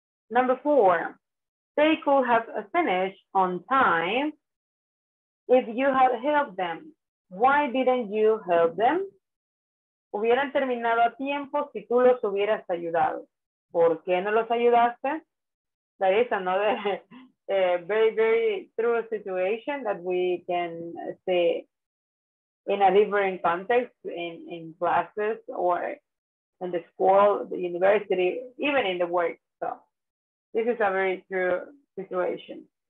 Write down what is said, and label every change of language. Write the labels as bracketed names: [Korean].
[English] Number four, they could have finished on time if you had helped them. Why didn't you help them? [Spanish] hubieran terminado a tiempo si tú los hubieras ayudado. ¿Por qué no los ayudaste? [English] That is another very, very true situation that we can see in a different context in classes or in the school, the university, even in the work. So this is a very true situation.